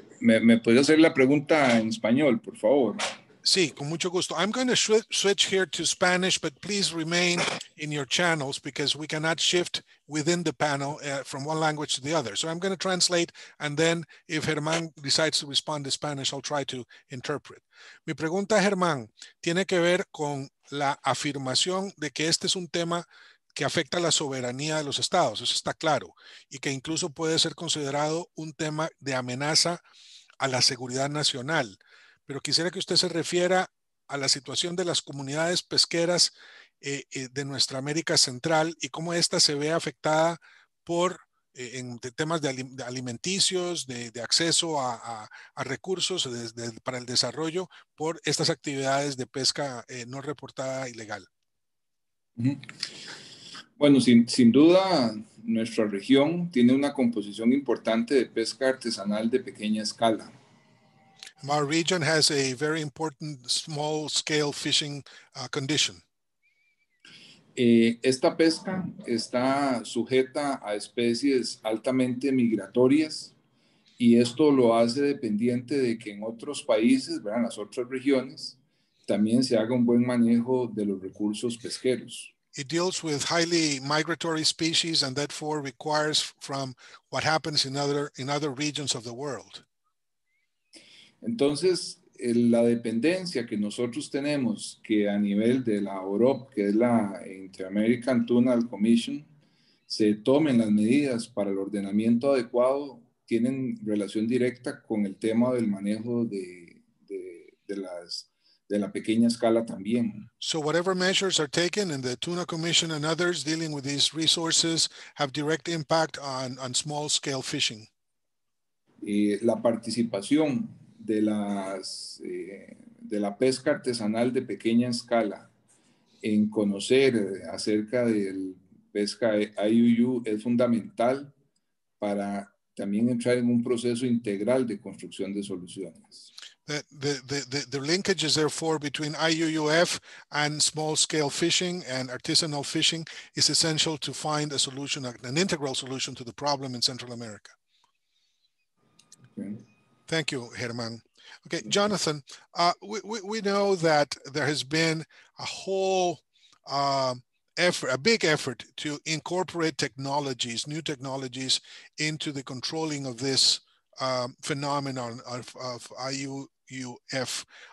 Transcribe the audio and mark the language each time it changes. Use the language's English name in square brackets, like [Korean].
[Spanish] ¿Me puede hacer la pregunta en español, por favor? Sí, con mucho gusto. [English] I'm going to switch here to Spanish, but please remain in your channels because we cannot shift within the panel from one language to the other. So I'm going to translate, and then if Germán decides to respond in Spanish, I'll try to interpret. [Spanish] Mi pregunta, Germán, tiene que ver con la afirmación de que este es un tema que afecta a la soberanía de los estados, eso está claro, y que incluso puede ser considerado un tema de amenaza a la seguridad nacional. Pero quisiera que usted se refiera a la situación de las comunidades pesqueras de nuestra América Central y cómo esta se ve afectada por temas de alimenticios, de acceso a recursos para el desarrollo por estas actividades de pesca no reportada ilegal. Bueno, sin duda, nuestra región tiene una composición importante de pesca artesanal de pequeña escala. [English] Our region has a very important small-scale fishing condition. [Spanish] Esta pesca está sujeta a especies altamente migratorias Y esto lo hace dependiente de que en otros países, ¿verdad? En las otras regiones, también se haga un buen manejo de los recursos pesqueros. [English] It deals with highly migratory species and therefore requires from what happens in other regions of the world. [Spanish] Entonces, la dependencia que nosotros tenemos, que a nivel de la OROP, que es la Inter-American Tunnel Commission, se tomen las medidas para el ordenamiento adecuado, tienen relación directa con el tema del manejo de la pequeña escala también. [English] So whatever measures are taken in the Tuna Commission and others dealing with these resources have direct impact on small scale fishing. [Spanish] Y la participación de la pesca artesanal de pequeña escala en conocer acerca del pesca IUU es fundamental para también entrar en un proceso integral de construcción de soluciones. [English] The linkages, therefore, between IUUF and small-scale fishing and artisanal fishing is essential to find a solution, an integral solution to the problem in Central America. Okay. Thank you, Germán. Okay, Jonathan, we know that there has been a whole effort, a big effort to incorporate technologies, new technologies, into the controlling of this phenomenon of IUUF.